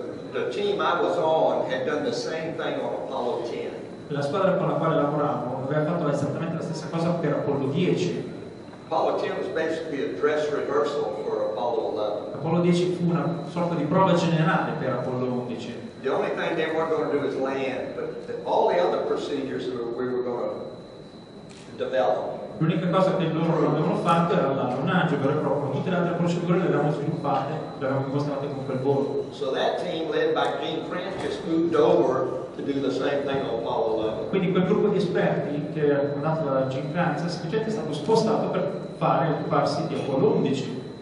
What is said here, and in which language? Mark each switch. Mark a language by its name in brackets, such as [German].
[English] The team I was on had done the same thing on Apollo 10. [Italian] La squadra con la quale lavoravo aveva fatto esattamente la stessa cosa per Apollo 10. [English] Apollo 10 was basically a dress rehearsal for Apollo 11. [Italian] Apollo 10 fu una sorta di prova generale per Apollo 11. [English] The only thing they weren't going to do is land, but all the other procedures that we were going to develop. [Italian] L'unica cosa che loro non avevano fatto era l'allunaggio, però proprio tutte le altre procedure le avevamo sviluppate, le avevamo dimostrate con quel volo. [English] So that team led by Gene Francis moved over to do the same thing on Apollo 11. [Italian] Quindi quel gruppo di esperti che era comandato da Gene Francis è stato spostato per fare occuparsi di Apollo 11.